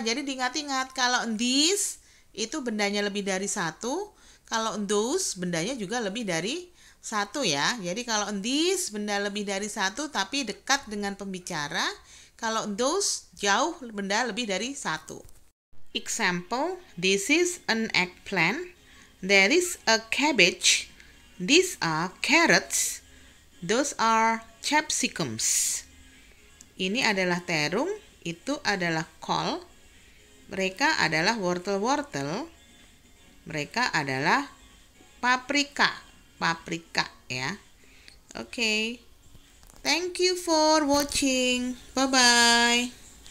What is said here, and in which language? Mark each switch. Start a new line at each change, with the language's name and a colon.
Indonesian: Jadi diingat-ingat, kalau this itu bendanya lebih dari satu, kalau those bendanya juga lebih dari satu ya. Jadi kalau this benda lebih dari satu tapi dekat dengan pembicara, kalau those jauh benda lebih dari satu.
English: Example, this is an eggplant, there is a cabbage, these are carrots, those are capsicums.
Indonesian: Ini adalah terung, itu adalah kol, mereka adalah wortel-wortel, mereka adalah paprika, paprika ya.
English: Oke. Thank you for watching. Bye-bye.